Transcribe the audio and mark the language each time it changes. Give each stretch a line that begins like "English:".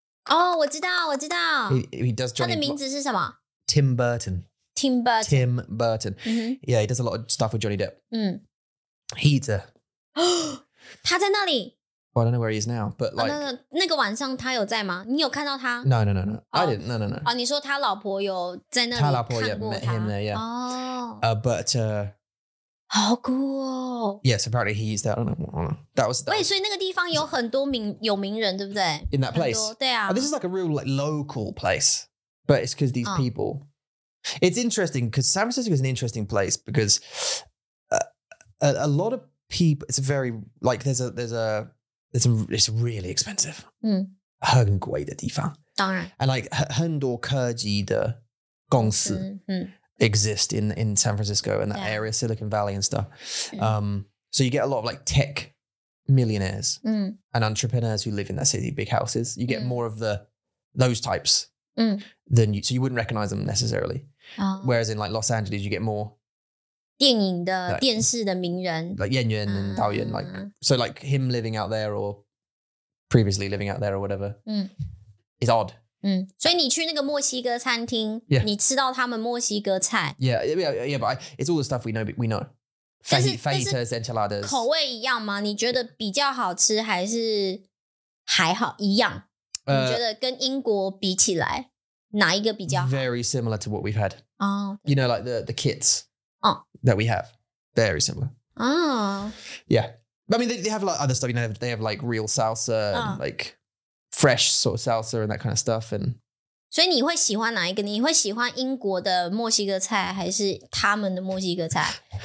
Chinese: Oh, 我知道。
English: He does Johnny.
Chinese: 他的名字是什么?
English: Tim Burton. Tim Burton. Tim Burton. Mm-hmm. Yeah, he does a lot of stuff with Johnny Depp. Mm. He's a...
Chinese: 他在那里?
English: Well, I don't know where he is now, but like... Oh, no, no,
Chinese: 那个晚上他有在吗?你有看到他?
English: No, no, no, no. Oh. I didn't, no, no, no.
Chinese: Oh, 你说他老婆有在那里看过他? 他
English: 老婆, yeah, met him there, yeah. Oh. But...
Chinese: 好酷哦。
English: Yes, apparently he used that. I don't know. That was...
Chinese: 喂,所以那个地方有很多名,有名人,对不对?
English: In that place?
Chinese: 对啊。
English: Oh, this is like a real like, local place, but it's because these people... It's interesting because San Francisco is an interesting place because a lot of people, it's very, like, it's really expensive. Mm.
Chinese: 很贵的地方. 当然. And like, 很多科技的公司 mm.
English: exist in San Francisco and that yeah. area, Silicon Valley and stuff. Mm. So you get a lot of like tech millionaires mm. and entrepreneurs who live in that city, big houses. You get mm. more of those types. Mm. Then you, so you wouldn't recognize them necessarily. Oh. Whereas in like Los Angeles, you get more
Chinese: 电影的、like, 电视的名人
English: like 演员 and 导演 like so like him living out there or previously living out there or whatever、 mm. is odd.
Chinese: 嗯，所以你去那个墨西哥餐厅，你吃到他们墨西哥菜。
English: Yeah, yeah, yeah, yeah. But it's all the stuff we know. Fajitas, enchiladas.
Chinese: 口味一样吗？你觉得比较好吃还是还好一样？你觉得跟英国比起来，哪一个比较好?
English: Very similar to what we've had. Oh. You know, like the kits that we have. Very similar. Oh. Yeah. I mean, they have like other stuff. You know, they have like real salsa and like fresh sort of salsa and that kind of stuff. And
Chinese: 所以你会喜欢哪一个? 你会喜欢英国的墨西哥菜还是他们的墨西哥菜?